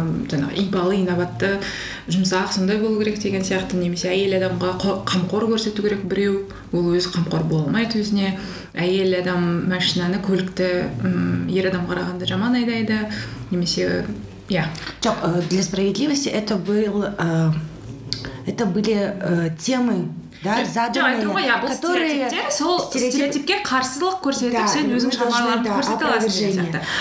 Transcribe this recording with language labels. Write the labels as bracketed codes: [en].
[kk] жаңағы ибалы, инабатты, жұмсақ сондай болу керек деген сияқты, немесе әйел адамға қамқор көрсету керек біреу, ол өзі қамқор бола алмайды өзіне, әйел адам машинаны, көлікті ер адам қарағанда жаман айдайды, немесе иә. Жоқ, [ru] для справедливости это был это были темы, да, заданные, которые [kk] стереотипке қарсылық көрсетіп, сен өзің шамаларыңды көрсете аласың.